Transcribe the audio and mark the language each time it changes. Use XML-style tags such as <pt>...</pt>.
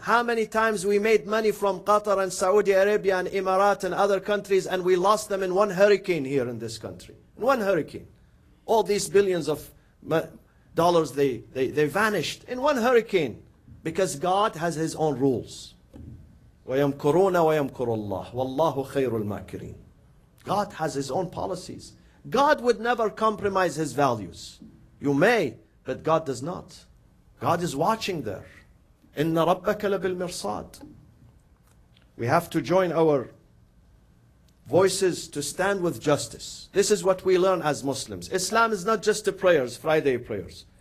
<en>How many times we made money from Qatar and Saudi Arabia and Emirates and other countries, and we lost them in one hurricane here in this country? In one hurricane. All these billions of dollars, they vanished in one hurricane. Because God has his own rules.</en> <ar>وَيَمْكُرُونَ وَيَمْكُرُ اللَّهُ وَاللَّهُ خَيْرُ الْمَاكِرِينَ</ar> <en>God has his own policies. God would never compromise his values. You may, but God does not. God is watching there.</en> <ar>إِنَّ رَبَّكَ لَبِالْمِرْصَادِ</ar> <en>We have to join our voices to stand with justice. This is what we learn as Muslims. Islam is not just the prayers, Friday prayers.</en>